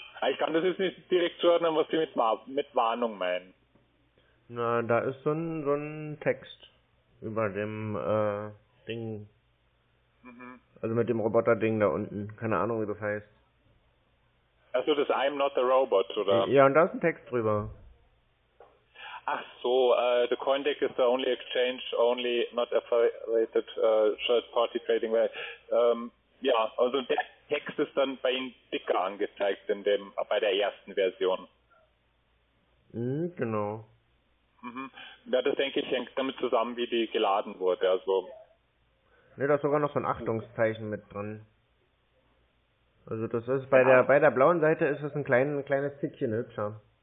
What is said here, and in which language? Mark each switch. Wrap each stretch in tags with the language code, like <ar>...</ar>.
<de>Ich kann das jetzt nicht direkt zuordnen, was Sie mit Warnung meinen. Na, da ist so ein Text. Über dem Ding. Also mit dem Roboter-Ding da unten. Keine Ahnung, wie das heißt. Ach so, das</de> <en>I'm not a robot,</en> <de>oder? Ja, und da ist ein Text drüber. Ach so,</de> <en>the CoinDeck is the only exchange, only not affiliated third-party trading way.</en> <de>Ja, also Text ist dann bei Ihnen dicker angezeigt in dem bei der ersten Version. Genau. Ja, das denke ich hängt damit zusammen, wie die geladen wurde. Also. Ne, da ist sogar noch so ein Achtungszeichen mit drin. Also das ist bei der blauen Seite ist es ein kleines Tickchen hübscher.</de>